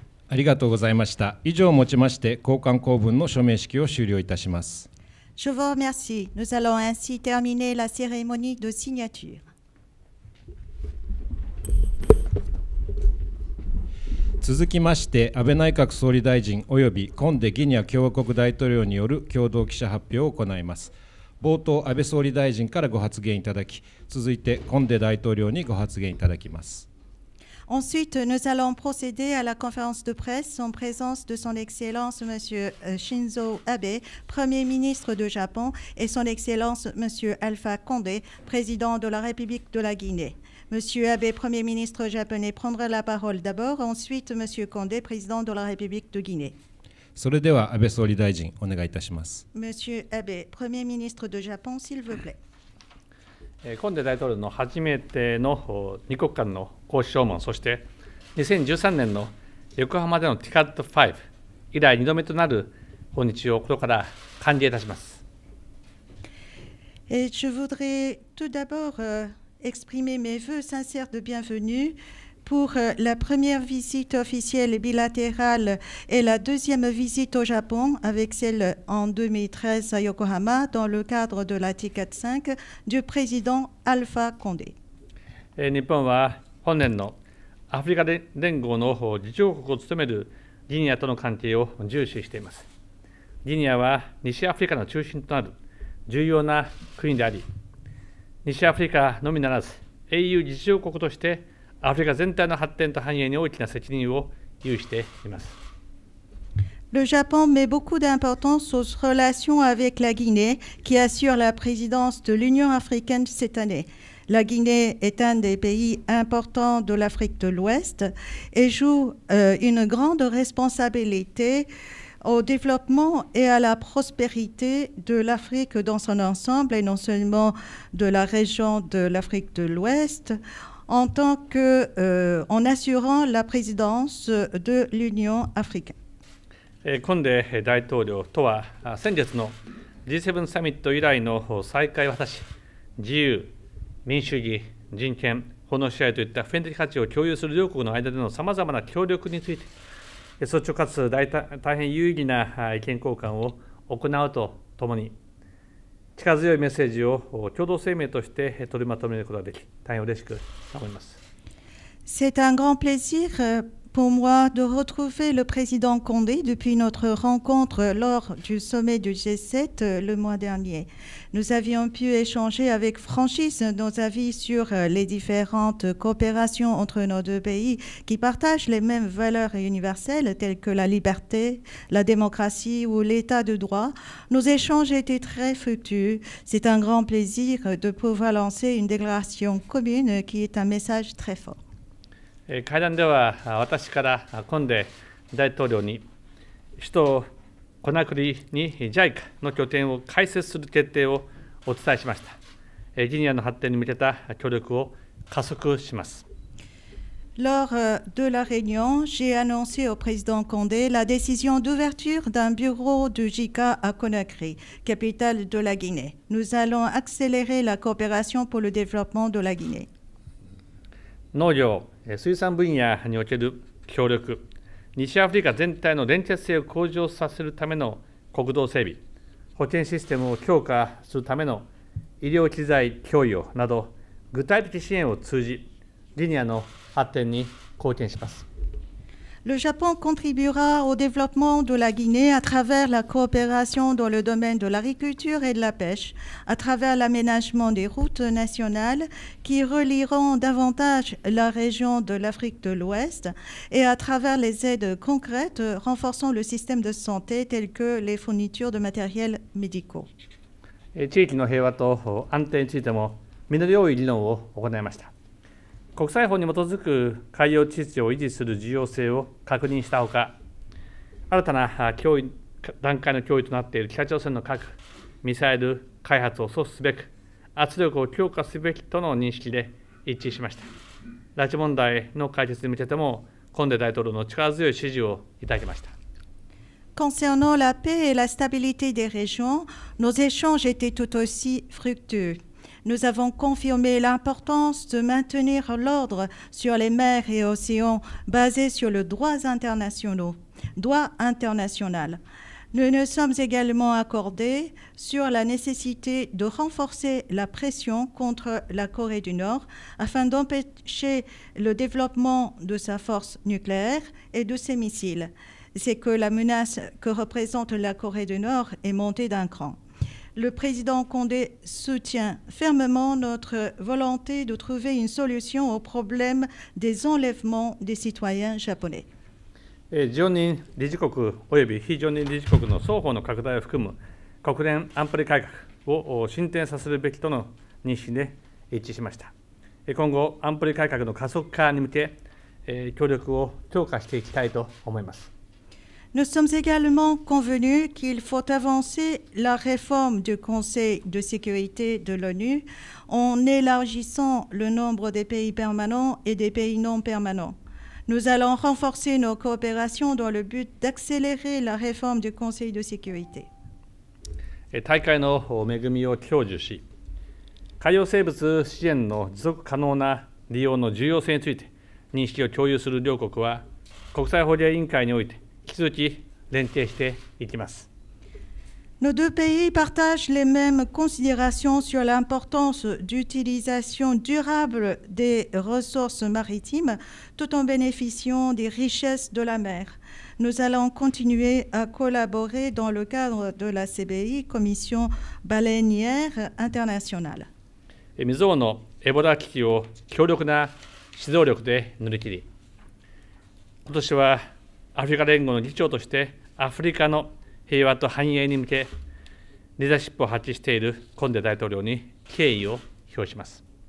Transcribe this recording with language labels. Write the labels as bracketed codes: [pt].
[ja] ありがとうございました。以上をもちまして、交換公文の署名式を終了いたします。 [fr] Je vous remercie. Nous allons ainsi terminer la cérémonie de signature. [ja] 続きまして、安倍内閣総理大臣及びコンデギニア共和国大統領による共同記者発表を行います。冒頭、安倍総理大臣からご発言いただき、続いてコンデ大統領にご発言いただきます。 [fr] Ensuite, nous allons procéder à la conférence de presse en présence de son Excellence M. Shinzo Abe, Premier ministre du Japon, et son Excellence M. Alpha Condé, Président de la République de la Guinée. M. Abe, Premier ministre japonais, prendra la parole d'abord, ensuite M. Condé, Président de la République de Guinée. [ja] それでは安倍総理大臣、お願いいたします。 [fr] M. Abe, Premier ministre du Japon, s'il vous plaît. [ja] コンデ大統領の初めての二国間の公使訪問、そして2013年の横浜でのティカット5以来2度目となる訪日を心から歓迎いたします。 [fr] Et je voudrais tout d'abord exprimer mes vœux sincères de bienvenue pour la première visite officielle bilatérale et la deuxième visite au Japon avec celle en 2013 à Yokohama dans le cadre de la Ticket 5 du président Alpha Condé. [ja] 日本は本年のアフリカ連合の議長国を務めるギニアとの関係を重視しています。ギニアは西アフリカの中心となる重要な国であり、西アフリカのみならず AU 議長国としてアフリカ全体の発展と繁栄に大きな責任を有しています。 [fr] Le Japon met beaucoup d'importance aux relations avec la Guinée, qui assure la présidence de l'Union africaine cette année. La Guinée est un des pays importants de l'Afrique de l'Ouest et joue une grande responsabilité au développement et à la prospérité de l'Afrique dans son ensemble et non seulement de la région de l'Afrique de l'Ouest. En tant que, en assurant la présidence de l'Union africaine. [ja] コンデ大統領とは先月の G7 サミット以来の再会を果たし、自由、民主主義、人権、法の支配といった普遍的価値を共有する両国の間でのさまざまな協力について、率直かつ 大変有意義な意見交換を行うとともに、力強いメッセージを共同声明として取りまとめることができ、大変嬉しく思います。 [fr] C'est un grand plaisir pour moi de retrouver le président Condé depuis notre rencontre lors du sommet du G7 le mois dernier. Nous avions pu échanger avec franchise nos avis sur les différentes coopérations entre nos deux pays qui partagent les mêmes valeurs universelles telles que la liberté, la démocratie ou l'état de droit. Nos échanges étaient très fructueux. C'est un grand plaisir de pouvoir lancer une déclaration commune qui est un message très fort. [ja] 会談では私からコンデ大統領に首都コナクリに JICA の拠点を開設する決定をお伝えしました。ギニアの発展に向けた協力を加速します。 [fr] Lors de la réunion, j'ai annoncé au président Condé la décision d'ouverture d'un bureau de JICA à Conakry, capitale de la Guinée. Nous allons accélérer la coopération pour le développement de la Guinée. [ja] 農業水産分野における協力、西アフリカ全体の連結性を向上させるための国道整備、保健システムを強化するための医療機材供与など、具体的支援を通じ、リニアの発展に貢献します。 [fr] Le Japon contribuera au développement de la Guinée à travers la coopération dans le domaine de l'agriculture et de la pêche, à travers l'aménagement des routes nationales qui relieront davantage la région de l'Afrique de l'Ouest et à travers les aides concrètes renforçant le système de santé tels que les fournitures de matériel médical. Et [ja] 地域の平和と安定についても実り多い議論を行いました。国際法に基づく海洋秩序を維持する重要性を確認したほか、新たな脅威段階の脅威となっている北朝鮮の核・ミサイル開発を阻止すべく、圧力を強化すべきとの認識で一致しました。拉致問題の解決に向けても、コンデ大統領の力強い支持をいただきました。 [fr] Concernant la paix et la stabilité des régions, nos échanges étaient tout aussi fructueux. Nous avons confirmé l'importance de maintenir l'ordre sur les mers et océans basé sur le droit international. Nous nous sommes également accordés sur la nécessité de renforcer la pression contre la Corée du Nord afin d'empêcher le développement de sa force nucléaire et de ses missiles. C'est que la menace que représente la Corée du Nord est montée d'un cran. Le président Condé soutient fermement notre volonté de trouver une solution au problème des enlèvements des citoyens japonais. [ja] 常任理事国及び非常任理事国の双方の拡大を含む国連安保理改革を進展させるべきとの認識で一致しました。今後、安保理改革の加速化に向け、協力を強化していきたいと思います。 [fr] Nous sommes également convenus qu'il faut avancer la réforme du Conseil de sécurité de l'ONU en élargissant le nombre des pays permanents et des pays non permanents. Nous allons renforcer nos coopérations dans le but d'accélérer la réforme du Conseil de sécurité. [ja] 大海の恵みを享受し、海洋生物資源の持続可能な利用の重要性について認識を共有する両国は、国際法律委員会において引き続き連携していきます。 [fr] Nos deux pays partagent les mêmes considérations sur l'importance d'utilisation durable des ressources maritimes tout en bénéficiant des richesses de la mer. Nous allons continuer à collaborer dans le cadre de la CBI, Commission Baleinière Internationale. [ja] 未曾有のエボラ危機を強力な指導力で乗り切り、今年はアフリカ連合の議長としてアフリカの平和と繁栄に向けリーダーシップを発揮しているコンデ大統領に敬意を表します。